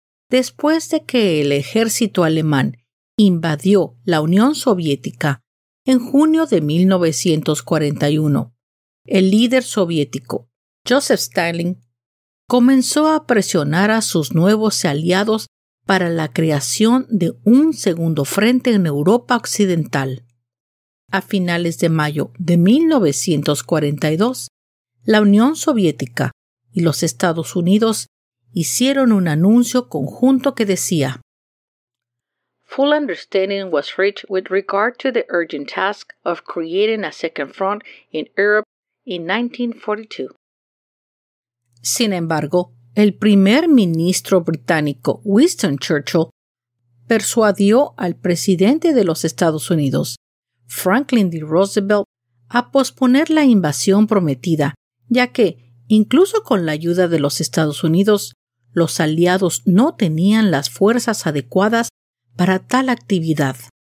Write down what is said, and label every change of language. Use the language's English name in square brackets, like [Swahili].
[Spanish] Después de que el ejército alemán invadió la Unión Soviética en junio de 1941, el líder soviético Joseph Stalin comenzó a presionar a sus nuevos aliados para la creación de un segundo frente en Europa Occidental. A finales de mayo de 1942, la Unión Soviética y los Estados Unidos hicieron un anuncio conjunto que decía: [English] "Full understanding was reached with regard to the urgent task of creating a second front in Europe in 1942." [Spanish] Sin embargo, el primer ministro británico Winston Churchill persuadió al presidente de los Estados Unidos, Franklin D. Roosevelt, a posponer la invasión prometida, ya que, incluso con la ayuda de los Estados Unidos, los aliados no tenían las fuerzas adecuadas para tal actividad.